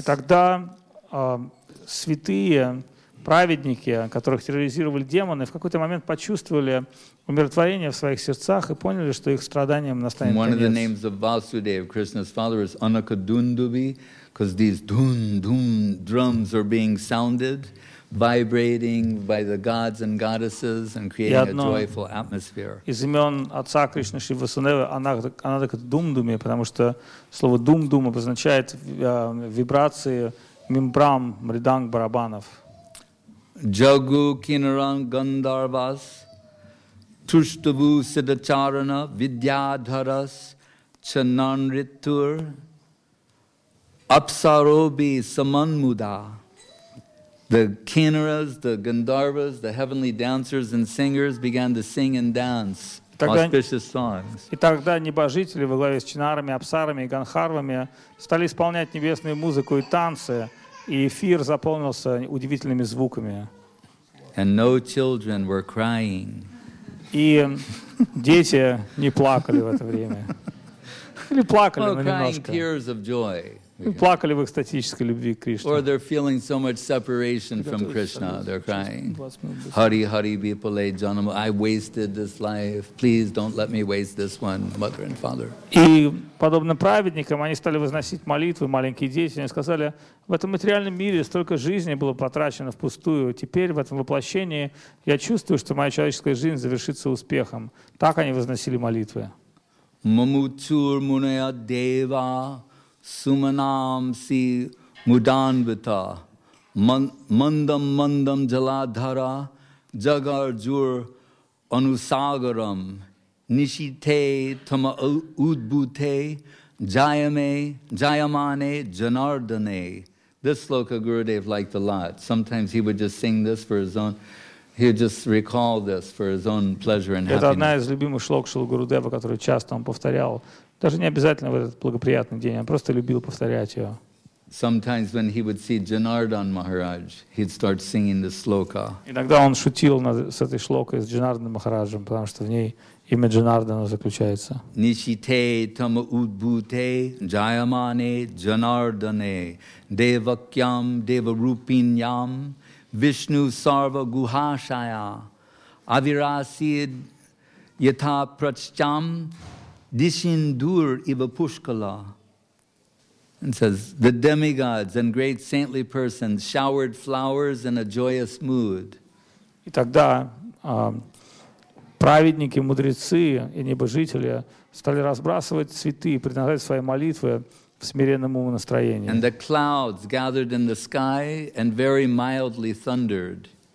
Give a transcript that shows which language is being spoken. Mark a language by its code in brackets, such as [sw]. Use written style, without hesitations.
[ru] И тогда святые праведники, которых терроризировали демоны, в какой-то момент почувствовали умиротворение в своих сердцах и поняли, что их страданиям настанет конец. [en] One of the names of Vasudev, Krishna's father, is Anakadundubi, because these dun-dun drums are being sounded, vibrating by the gods and goddesses and creating a joyful atmosphere. [ru] Из имен отца Кришны Шри Васудевы Анакадундуми, потому что слово дум-дум обозначает вибрации мембран мриданг барабанов. [sa] Jagu Kinaran Gandharvas Tushtavu Siddhacharana Vidyadharas Chananritur Apsarobi Samanmuda. [en] The Kinaras, the Gandharvas, the heavenly dancers and singers began to sing and dance auspicious songs. [ru] И тогда небожители во главе с Чинарами, Апсарами и Гандхарвами стали исполнять небесную музыку и танцы, и эфир заполнился удивительными звуками. [en] And no children were crying. [ru] И дети не плакали в это время. Или плакали, но немножко. [en] Tears of joy. [ru] Плакали в экстатической любви к Кришне. [en] Or they're feeling so much separation from Krishna, they're crying. [bn] Hari Hari Bipale Janam, [en] I wasted this life. Please don't let me waste this one, mother and father. [ru] И подобно праведникам, они стали возносить молитвы, маленькие дети, они сказали: в этом материальном мире столько жизни было потрачено впустую. Теперь в этом воплощении я чувствую, что моя человеческая жизнь завершится успехом. Так они возносили молитвы. [sa] Мамутур Муная Дева Суманам Си Муданвита Мандам Мандам Джаладхара Джагарджур Анусагарам Нишите Тама Удбуте Джайаме Джайамане Джанардане. [en] This sloka Gurudev liked a lot. Sometimes he would just sing this for his own, he would just recall this for his own pleasure and happiness. [ru] Это одна из любимых шлок Шрилы Гурудева, которую часто он повторял. Даже не обязательно в этот благоприятный день, он просто любил повторять ее. [en] Sometimes when he would see Janardhan Maharaj, he'd start singing the sloka. [ru] Иногда он шутил с этой шлокой, с Джанардан Махараджем, потому что в ней имя Джанардана заключается. [sa] Нишите тама удбуте джайамане джанардане девакьям деварупиньям вишну сарва гухашая авирасид ята праччам дишиндур ива пушкала. [en] And says, the demigods and great saintly persons showered flowers in a joyous mood. [ru] И тогда праведники, мудрецы и небожители стали разбрасывать цветы и предлагать свои молитвы в смиренном уму настроении. [en] And the clouds gathered in the sky and very mildly thundered.